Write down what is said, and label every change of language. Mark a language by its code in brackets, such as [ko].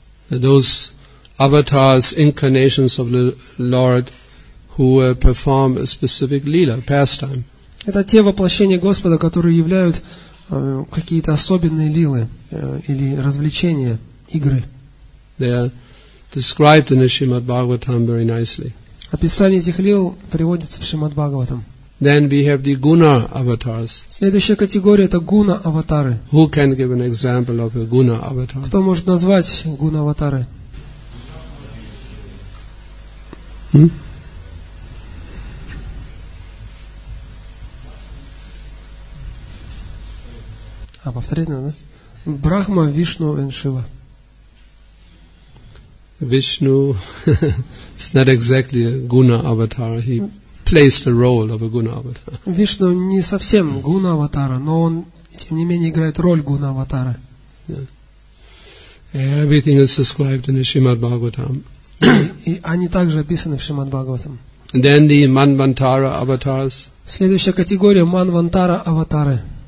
[en] Those avatars, incarnations of the Lord, who perform a specific lila, pastime. [ru] Это те воплощения Господа, которые являются какие-то особенные лилы или развлечения, игры. [en] They are described in the Shrimad Bhagavatam very nicely. [ru] Описание этих лил приводится в Шримад Бхагаватам. [en] Then we have the guna avatars. [ru] Следующая категория это guna аватары. [en] Who can give an example of a guna avatar? [ru] Кто может назвать guna аватары? А повторить надо? Брахма, Вишну и Шива. [en] Вишну is not exactly a guna avatar. He plays the role of a guna avatar. [ru] Вишну не совсем guna аватара, но он тем не менее играет роль guna аватара. [en] Yeah. Everything is described in the Shrimad Bhagavatam. [ru] И они также описаны в Шримад Бхагаватам. [en] Then the manvantara avatars. [ru] Следующая категория манвантара аватары.